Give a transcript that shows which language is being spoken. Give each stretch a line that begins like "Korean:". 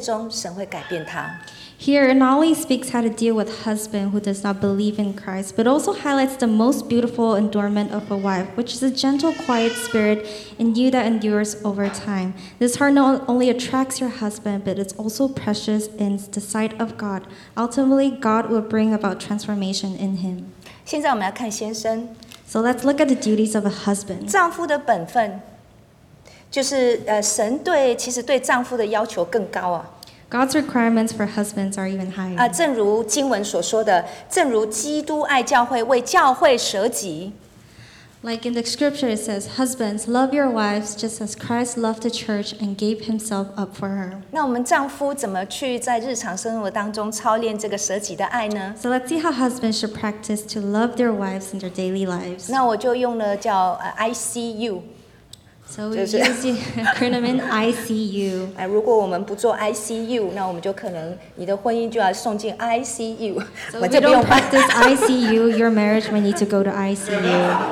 Chinese: 这里不但说到怎么去面对不信主的丈夫，也说到妻子里面最美丽的装饰，就是里面存着一个长久温暖的心，去吸引先生，而最终神会改变他。
English: Here, not only speaks how to deal with husband who does not believe in Christ, but also highlights the most beautiful adornment of a wife, which is a gentle, quiet spirit in you that endures over time. This heart not only attracts your husband, but it's also precious in the sight of God. Ultimately, God will bring about transformation in him.
Chinese: 现在我们要看先生。
English: So let's look at the duties of a husband.
Chinese: 丈夫的本分, 就是, 神对, 其实对丈夫的要求更高啊。
English: God's requirements for husbands are even higher.
Chinese: 正如经文所说的, 正如基督爱教会为教会舍己。
English: Like in the scripture it says, husbands, love your wives just as Christ loved the church and gave himself up for her.
Chinese: 那我们丈夫怎么去在日常生活当中操练这个舍己的爱呢?
English: So let's see how husbands should practice to love their wives in their daily lives.
Chinese: 那我就用了叫ICU。
English: So we use the acronym ICU.
Chinese: 如果我们不做 ICU， 那我们就可能你的婚姻就要送进 ICU。
English: So if you don't practice ICU, your marriage might need to go to ICU.